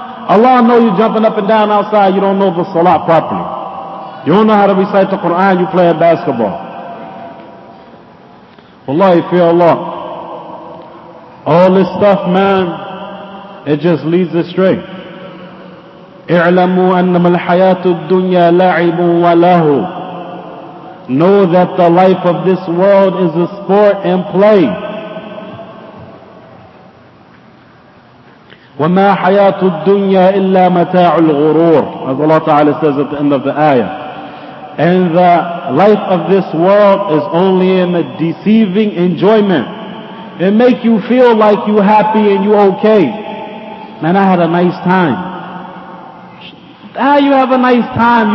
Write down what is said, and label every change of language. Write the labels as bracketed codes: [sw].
[en] Allah know you're jumping up and down outside, you don't know the salah properly. You don't know how to recite the Quran, you play basketball. Wallahi, fear Allah. All this stuff, man, it just leads astray. [ar] اعلموا أنما الحياة الدنيا لعب وله. [en] Know that the life of this world is a sport and play. [ar] وما حياة الدنيا إلا متاع الغرور. [en] As Allah Ta'ala says at the end of the ayah. And the life of this world is only in a deceiving enjoyment. It make you feel like you happy and you okay. Man, I had a nice time. Ah, you have a nice time.